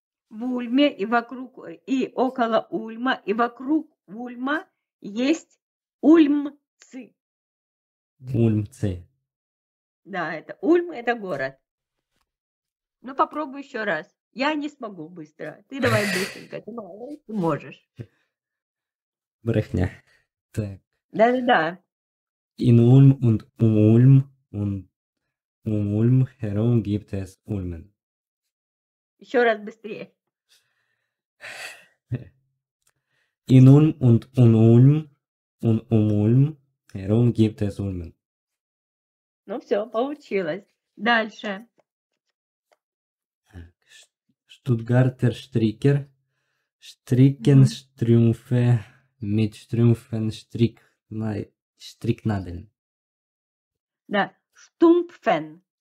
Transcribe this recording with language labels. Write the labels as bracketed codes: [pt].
[ru] В Ульме и вокруг, и около Ульма, и вокруг Ульма есть ульмцы. Ульмцы. Да, это Ульм, это город. Ну, попробуй еще раз. Я не смогу быстро. Ты давай быстренько, ты можешь. Брехня. Так. Да-да-да. [de] In Ulm und Ulm und Ulm herum gibt es Ulmen. [ru] Еще раз быстрее. [de] In Ulm und um Ulm herum gibt es Ulmen. [ru] Ну все, получилось. Дальше. [de] Stuttgarter Stricker. Stricken Strümpfe mit Strümpfen Stricknadeln. [ru] Да, Stumpfen.